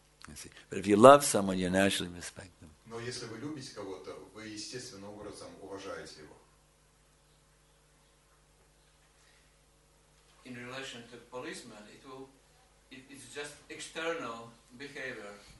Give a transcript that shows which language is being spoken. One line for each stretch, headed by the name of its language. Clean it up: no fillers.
English: You see. But if you love someone, you naturally respect them.
Russian: Но если вы любите кого-то, вы естественным образом уважаете его.
English: In relation to policemen, it's just external behavior.